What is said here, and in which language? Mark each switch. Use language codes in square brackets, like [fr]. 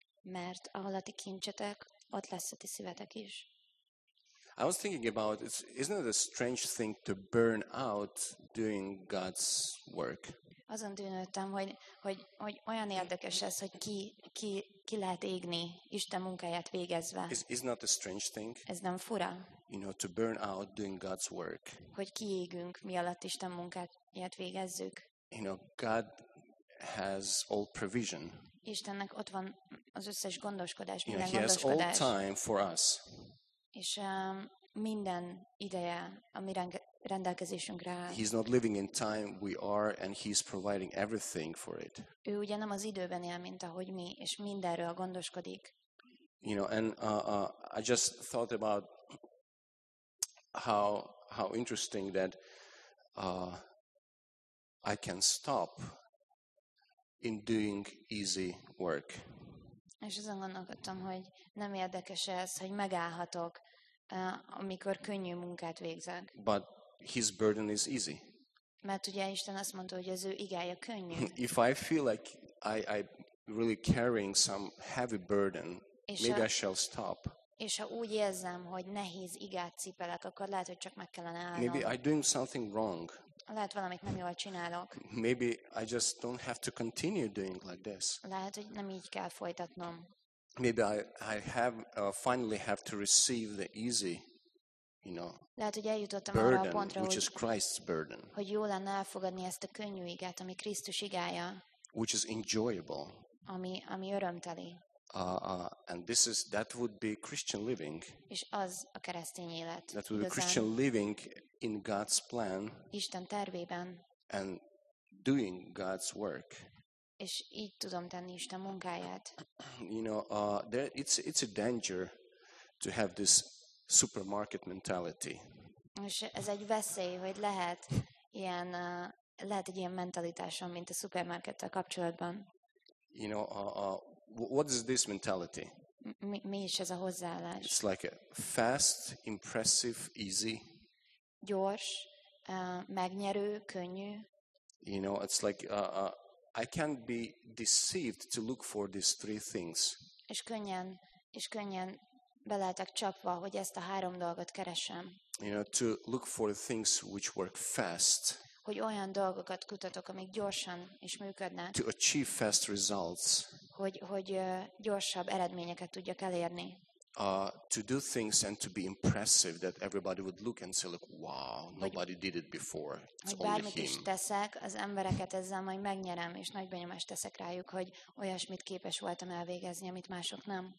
[hu] Mert ahol a ti kincsetek, ott lesz a ti szívetek is. [en] I was thinking about, isn't it a strange thing to burn out doing God's work? [hu] Azon tűnődtem, hogy olyan érdekes ez, hogy ki ki lehet égni Isten munkáját végezve. [en] Is not a strange thing? [hu] Ez nem fura? [en] You know, to burn out doing God's work. [hu] Hogy kiégünk, mi alatt Isten munkáját végezzük. [en] You know, God has all provision. [hu] Istennek ott van az összes gondoskodás, minden gondoskodás. [en] He has all time for us. [hu] És minden ideje, ami rendelkezésünkre áll. [en] He's not living in time, we are, and he's providing everything for it. [hu] Ő ugye nem az időben él, mint ahogy mi, és mindenről gondoskodik. [en] You know, and I just thought about how interesting that I can stop in doing easy work. [hu] És azon gondolkodtam, hogy nem érdekes ez, hogy megállhatok, amikor könnyű munkát végzek. [en] But his burden is easy. [hu] Mert ugye Isten azt mondta, hogy az ő igája könnyű. [en] If I feel like I really carrying some heavy burden, maybe I shall stop. [hu] És ha úgy érzem, hogy nehéz igát cipelek, akkor lehet, hogy csak meg kellene állnom. [en] Maybe I'm doing something wrong. [hu] Lehet, valamit nem jól csinálok. [en] Maybe I just don't have to continue doing like this. [hu] Lehet, hogy nem így kell folytatnom. [en] Maybe I have finally have to receive the easy, you know, [hu] lehet, hogy eljutottam [en] burden, [hu] arra a pontra, [en] which is Christ's burden. [hu] Hogy jó lenne elfogadni ezt a könnyű igát, ami Krisztus igája. [en] Which is enjoyable. [hu] Ami örömteli. [en] And this is that would be Christian living. [hu] És az a keresztény élet. [en] That would be Christian living in God's plan. [hu] Isten tervében. [en] And doing God's work. [hu] És így tudom tenni Isten munkáját. [en] You know, there it's a danger to have this supermarket mentality. [hu] És ez egy veszély, hogy lehet ilyen lehet egy ilyen mentalitásom, mint a szupermarkettel kapcsolatban. [en] You know, what is this mentality? [hu] Mi is ez a hozzáállás? [en] It's like a fast, impressive, easy. [hu] Gyors, megnyerő, könnyű. [en] You know, it's like I can't be deceived to look for these three things. [hu] És könnyen beletek csapva, hogy ezt a három dolgot keresem. [en] You know, to look for the things which work fast. [hu] Hogy olyan dolgokat kutatok, amik gyorsan is működnek. [en] To achieve fast results. [hu] Hogy gyorsabb eredményeket tudjak elérni. [en] To do things and to be impressive, that everybody would look and say, like, wow, nobody did it before. It's [hu] Hogy bármit is teszek, az embereket ezzel majd megnyerem, és nagy benyomást teszek rájuk, hogy olyasmit képes voltam elvégezni, amit mások nem.